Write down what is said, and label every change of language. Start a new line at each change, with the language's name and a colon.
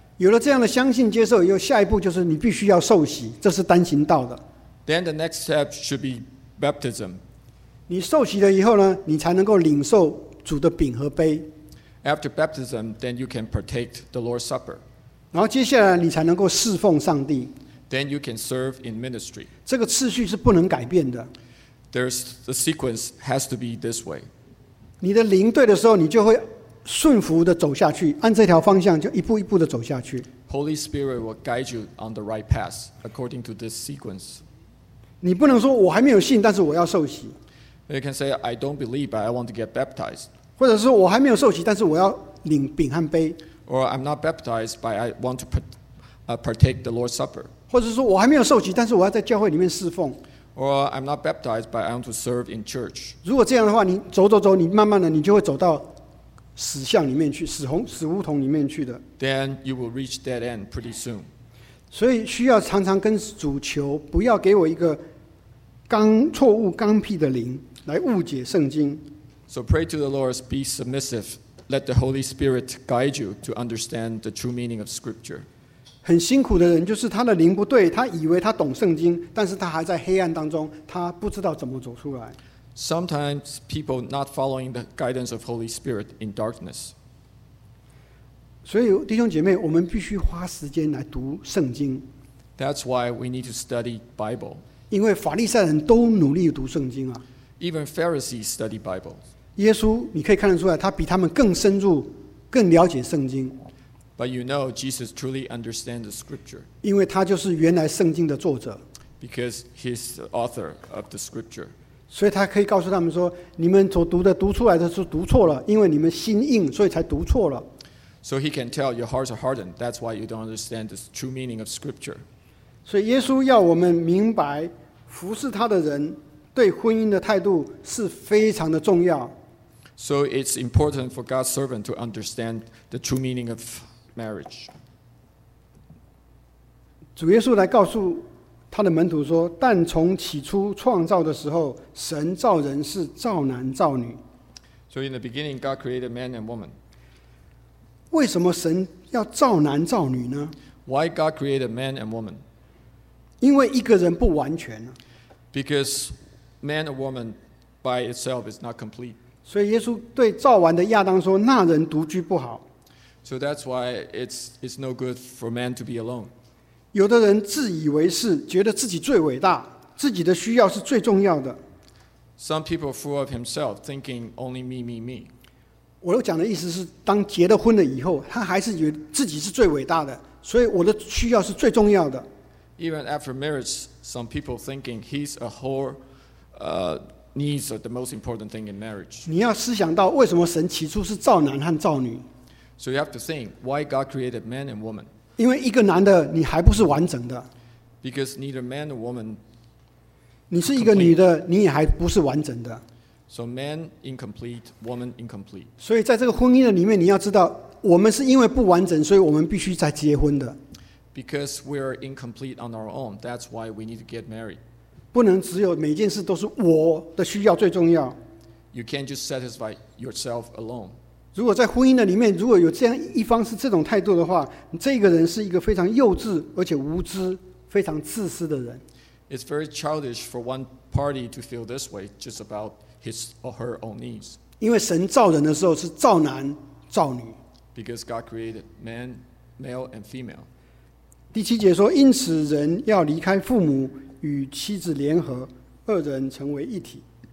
Chinese: 有了这样的相信接受，又下一步就是你必须要受洗，这是单行道的。
English: Then the next step should be baptism.
Chinese: 你受洗了以后呢，你才能够领受主的饼和杯。
English: After baptism, then you can partake the Lord's Supper.
Chinese: 然后接下来你才能够侍奉上帝。
English: Then you can serve in ministry.
Chinese: 这个次序是不能改变的。
English: There's the sequence has to be this way.
Chinese: 你的灵对的时候，你就会顺服的走下去，按这条方向就一步一步的走下去。
English: Holy Spirit will guide you on the right path according to this sequence.
Chinese: 你不能说我还没有信，但是我要受洗。
English: You can say, I don't believe, but I want to get baptized.
Chinese: 或者是我还没有受洗，但是我要领饼和杯。
English: Or I'm not baptized, but I want to partake the Lord's Supper.
Chinese: 或者说我还没有受洗，但是我要在教会里面侍奉。
English: Or I'm not baptized, but I want to serve in church.
Chinese: 如果这样的话，你走走走，你慢慢的，你就会走到死巷里面去，死胡同里面去的。
English: Then you will reach that end pretty soon.
Chinese: 所以需要常常跟主求，不要给我一个错误刚僻的灵来误解圣经。
English: So pray to the Lord, be submissive. Let the Holy Spirit guide you to understand the true meaning of Scripture.
Chinese: 很辛苦的人就是他的灵不对，他以为他懂圣经，但是他还在黑暗当中，他不知道怎么走出来。
English: Sometimes people not following the guidance of Holy Spirit in darkness.
Chinese: 所以弟兄姐妹，我们必须花时间来读圣经。
English: That's why we need to study Bible.
Chinese: 因为法利赛人都努力读圣经啊。
English: Even Pharisees study Bible.
Chinese: 耶稣，你可以看得出来，他比他们更深入、更了解圣经。
English: But you know Jesus truly understands the Scripture.
Chinese: 因为他就是原来圣经的作者。
English: Because he's the author of the Scripture.
Chinese: 所以他可以告诉他们说，你们所读的、读出来的是读错了，因为你们心硬，所以才读错了。
English: So he can tell your hearts are hardened. That's why you don't understand the true meaning of Scripture.
Chinese: 所以耶稣要我们明白，服侍他的人。对婚姻的态度是非常的重要。
English: So it's important for God's servant to understand the true meaning of marriage.
Chinese: 主耶稣来告诉他的门徒说，但从起初创造的时候，神造人是造男造女。
English: So in the beginning, God created man and woman.
Chinese: 为什么神要造男造女呢？
English: Why God created man and woman?
Chinese: 因为一个人不完全。
English: Because man or woman by itself is not complete.
Chinese: 所以耶稣对造完的亚当说，那人独居不好。
English: So that's why it's no good for man to be alone.
Chinese: 有的人自以为是，觉得自己最伟大，自己的需要是最重要的。
English: Some people are full of himself, thinking only me, me, me.
Chinese: 我讲的意思是，当结了婚了以后，他还是觉得自己是最伟大的，所以我的需要是最重要的。
English: Even after marriage, some people thinking he's a whore,needs are the most important thing in marriage.
Chinese: 你要思想到为什么神起初是造男和造女。
English: So you have to think why God created man and woman.
Chinese: 因为一个男的你还不是完整的。
English: Because neither man nor woman.
Chinese: 你是一个女的，你也还不是完整的。
English: So man incomplete, woman incomplete.
Chinese: 所以在这个婚姻的里面，你要知道，我们是因为不完整，所以我们必须再结婚的。
English: Because we are incomplete on our own, that's why we need to get married.
Chinese: 不能只有每件事都是我的需要最重要。
English: You can't just satisfy yourself alone.
Chinese: 如果在婚姻的里面，如果有这样一方是这种态度的话，这个人是一个非常幼稚而且无知、非常自私的人。
English: It's very childish for one party to feel this way just about his or her own needs.
Chinese: 因为神造人的时候是造男造女。
English: Because God created man male and female.
Chinese: 第七节说，因此人要离开父母，与妻子联合，二人成为一体。